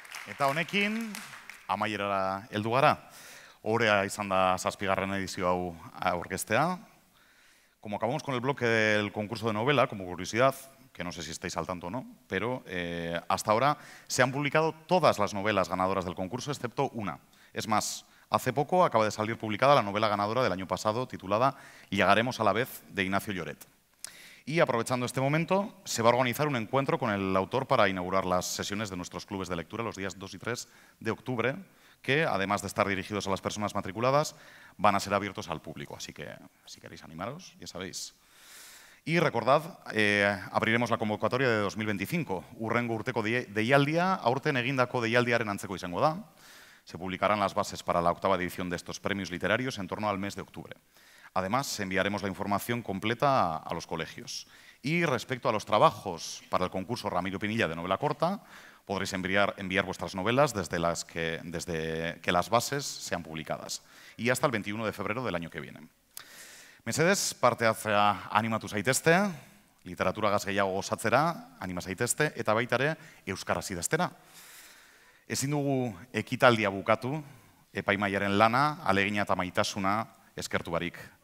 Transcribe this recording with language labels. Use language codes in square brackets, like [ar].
[eu] Eta honekin, amaierara heldu gara. Orea izan da zazpigarren edizio hau aurkeztea. [es] Como acabamos con el bloque del concurso de novela, como curiosidad, que no sé si estáis al tanto o no, pero hasta ahora se han publicado todas las novelas ganadoras del concurso, excepto una. Es más, hace poco acaba de salir publicada la novela ganadora del año pasado, titulada Llegaremos a la vez, de Ignacio Lloret. Y aprovechando este momento, se va a organizar un encuentro con el autor para inaugurar las sesiones de nuestros clubes de lectura los días 2 y 3 de octubre, que además de estar dirigidos a las personas matriculadas, van a ser abiertos al público. Así que, si queréis animaros, ya sabéis. Y recordad, abriremos la convocatoria de 2025. [eu] Urrengo urteko deialdia, aurten egindako deialdiaren antzeko izango da. [es] Se publicarán las bases para la octava edición de estos premios literarios en torno al mes de octubre. Además, enviaremos la información completa a los colegios. Y respecto a los trabajos para el concurso Ramiro Pinilla de novela corta, podréis enviar vuestras novelas desde que las bases sean publicadas. Y hasta el 21 de febrero del año que viene. [eu] Mesedez, parte hartzea animatu zaitezte, literaturagaz gehiago gozatzera, anima zaitezte, eta baitare, euskaraz idaztera. Ezin dugu ekitaldia bukatu, epaimaiaren lana, alegina eta maitasuna eskertu barik.